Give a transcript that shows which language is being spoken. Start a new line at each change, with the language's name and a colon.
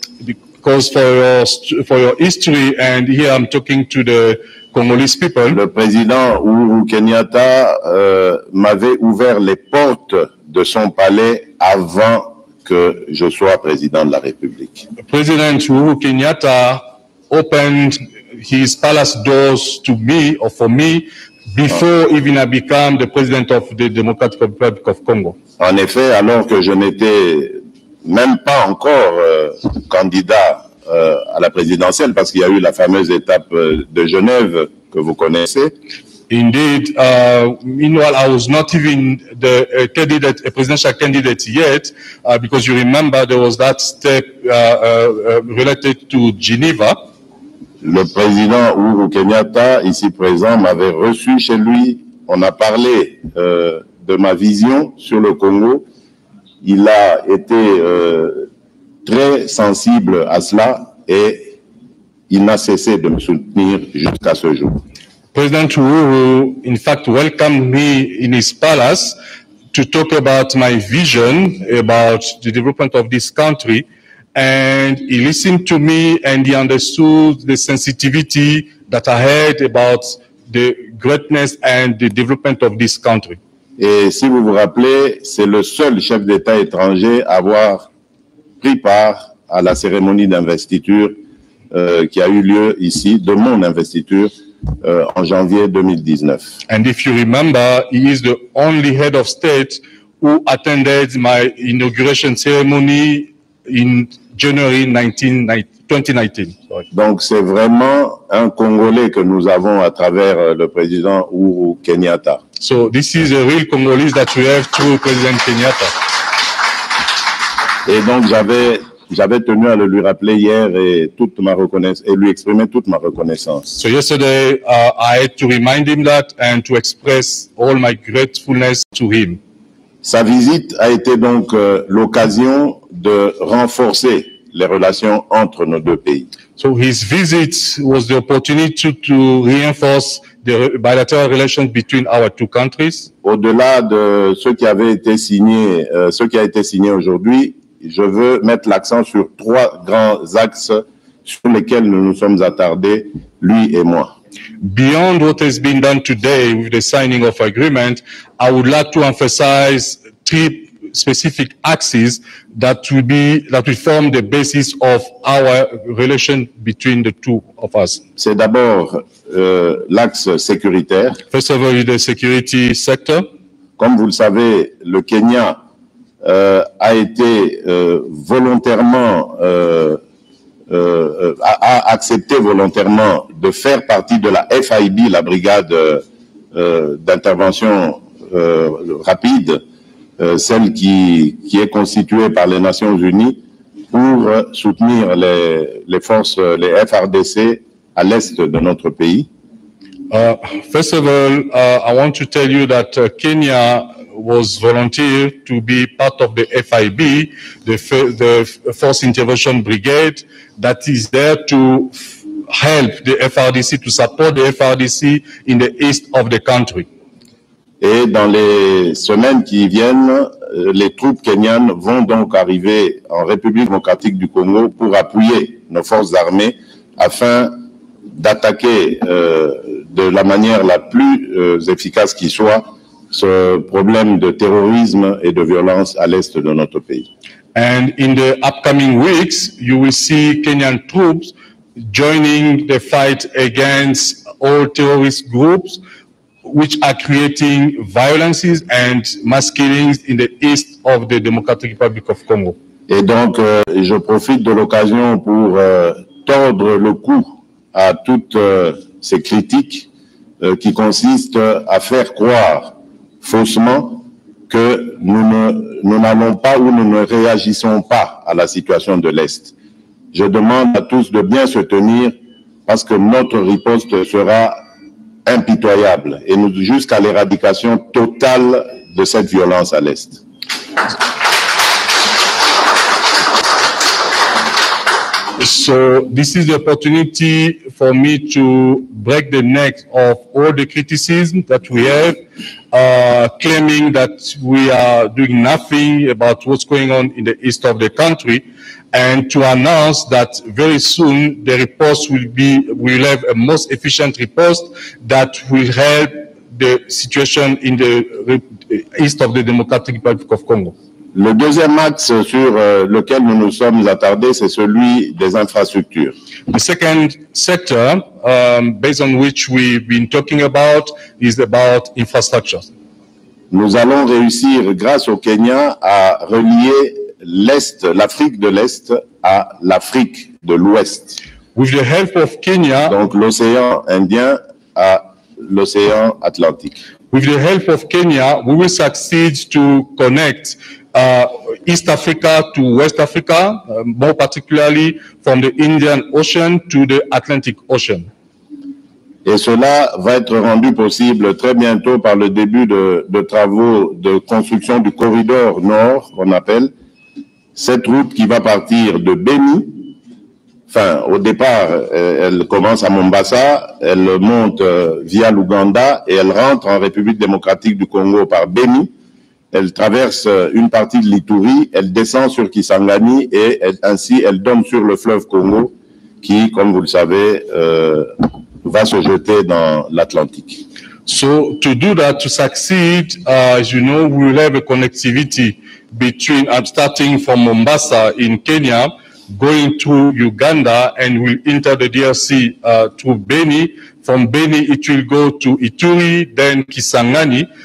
English: Because for your history, and here I'm talking to the Congolese people.
French: Le président Uhuru Kenyatta m'avait ouvert les portes de son palais avant que je sois président de la République.
English: President Uhuru Kenyatta opened his palace doors to me or for me before even I became the president of the Democratic Republic of Congo.
French: En effet, alors que je n'étais même pas encore candidat à la présidentielle, parce qu'il y a eu la fameuse étape de Genève que vous connaissez.
English: Indeed, meanwhile, I was not even the candidate, a presidential candidate yet, because you remember there was that step related to Geneva.
French: le président Uhuru Kenyatta, ici présent, m'avait reçu chez lui. On a parlé de ma vision sur le Congo. Il a été très sensible à cela et il n'a cessé de me soutenir jusqu'à ce jour.
English: President Uhuru, in fact, welcomed me in his palace to talk about my vision about the development of this country. And he listened to me and he understood the sensitivity that I had about the greatness and the development of this country.
French: Et si vous vous rappelez, c'est le seul chef d'État étranger à avoir pris part à la cérémonie d'investiture qui a eu lieu ici, de mon investiture, en janvier 2019.
English: And if you remember, he is the only head of state who attended my inauguration ceremony in January 2019.
French: Donc c'est vraiment un Congolais que nous avons à travers le président Uhuru Kenyatta.
English: So this is a real Congolese that we have through President Kenyatta.
French: Et donc j'avais tenu à le lui rappeler hier et toute ma reconnaissance et lui exprimer toute ma reconnaissance.
English: So yesterday I had to remind him that and to express all my gratefulness to him.
French: Sa visite a été donc l'occasion de renforcer les relations entre nos deux pays.
English: So his visit was the opportunity to reinforce the bilateral relations between our two countries.
French: Au-delà de ce qui avait été signé, ce qui a été signé aujourd'hui, je veux mettre l'accent sur trois grands axes sur lesquels nous nous sommes attardés, lui et moi.
English: Beyond what has been done today with the signing of agreement, I would like to emphasize three specific axes that will form the basis of our relation between the two of us.
French: C'est d'abord l'axe sécuritaire.
English: First of all, the security sector.
French: Comme vous le savez, le Kenya a été volontairement a accepté volontairement de faire partie de la FIB, la brigade d'intervention rapide, celle qui est constituée par les Nations Unies pour soutenir les forces, les FRDC, à l'est de notre pays.
English: First of all, I want to tell you that Kenya was volunteer to be part of the FIB, the Force Intervention Brigade, that is there to help the FRDC, to support the FRDC in the east of the country.
French: Et dans les semaines qui viennent, les troupes kenyanes vont donc arriver en République démocratique du Congo pour appuyer nos forces armées afin d'attaquer de la manière la plus efficace qui soit ce problème de terrorisme et de violence à l'est de notre pays.
English: And in the upcoming weeks, you will see Kenyan troops joining the fight against all terrorist groups which are creating violences and mass killings in the east of the Democratic Republic of Congo.
French: Et donc, je profite de l'occasion pour tordre le cou à toutes ces critiques qui consistent à faire croire faussement que nous n'allons pas ou nous ne réagissons pas à la situation de l'Est. Je demande à tous de bien se tenir parce que notre riposte sera impitoyable et nous jusqu'à l'éradication totale de cette violence à l'Est.
English: So this is the opportunity for me to break the neck of all the criticism that we have, claiming that we are doing nothing about what's going on in the east of the country, and to announce that very soon the riposte will have a most efficient riposte that will help the situation in the east of the Democratic Republic of Congo.
French: Le deuxième axe sur lequel nous nous sommes attardés, c'est celui des infrastructures.
English: The second sector, based on which we've been talking about, is about infrastructure.
French: Nous allons réussir, grâce au Kenya, à relier l'Est, l'Afrique de l'Est, à l'Afrique de l'Ouest.
English: With the help of Kenya,
French: donc l'océan Indien à l'océan Atlantique.
English: With the help of Kenya, we will succeed to connect East Africa to West Africa, more particularly from the Indian Ocean to the Atlantic Ocean.
French: Et cela va être rendu possible très bientôt par le début de travaux de construction du corridor nord, qu'on appelle, cette route qui va partir de Beni. Enfin, au départ, elle commence à Mombasa, elle monte via l'Ouganda et elle rentre en République démocratique du Congo par Beni. Elle traverse une partie de l'Ituri, elle descend sur Kisangani et elle donne sur le fleuve Congo qui, comme vous le savez, va se jeter dans l'Atlantique.
English: So, to do that, to succeed, as you know, we will have a connectivity between, starting from Mombasa in Kenya, going to Uganda and will enter the DRC to Beni. From Beni, it will go to Ituri, then Kisangani.